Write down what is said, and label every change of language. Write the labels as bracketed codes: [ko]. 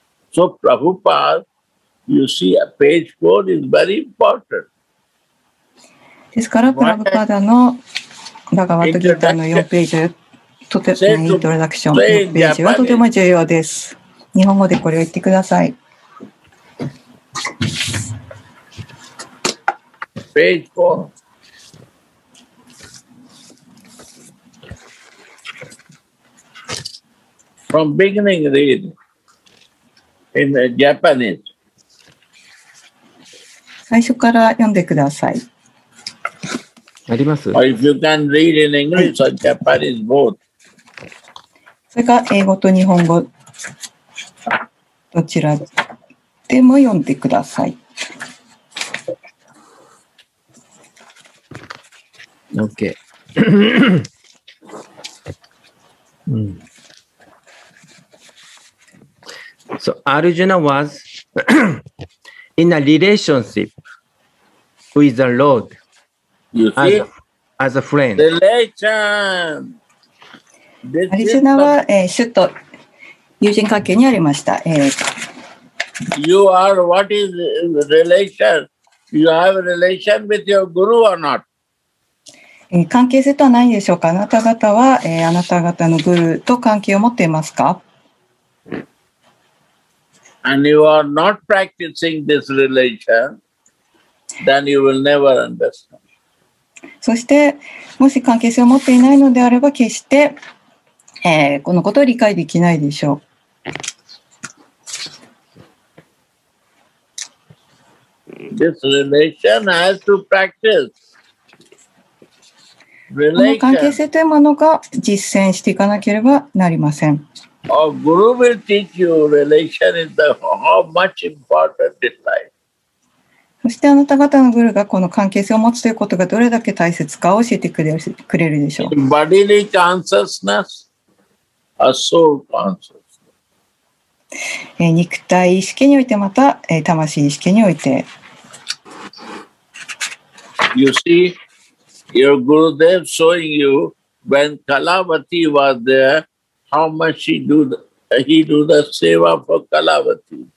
[en] So Prabhupada, you see a page 4 is very important. [ja] ですから、プラブパダのバガヴァッド・ギーターの4ページ、とてもイントロダクション、4ページはとても重要です。日本語でこれを言ってください。 [en] Page 4. From beginning, read in Japanese. [ja] 最初から読んでください。あります。 [en] Or if you can read in English or Japanese both. [ja] それか英語と日本語どちらでも読んでください。 OK 。うん。 [en] So Arjuna was in a relationship with the Lord as a friend. Relation. [ja] Arjuna は主と友人関係にありました。 [en] You are what is relation? You have relation with your guru or not? [ja] 関係性とはないでしょうか。あなた方は、あなた方のグルーと関係を持っていますか。 [en] And you are not practicing this religion, then you will never understand. [ja] そして、もし関係性を持っていないのであれば、決して、このことを理解できないでしょう。 [en] This relation has to practice. [ja] この関係性というものが実践していかなければなりません。そしてあなた方のグルがこの関係性を持つということがどれだけ大切かを教えてくれるでしょう。 [en] Bodily consciousness or soul consciousness? [ja] 肉体意識においてまた魂意識において。 [en] You seeYour Gurudev showing you when Kalavati was there, how much he do the seva for Kalavati.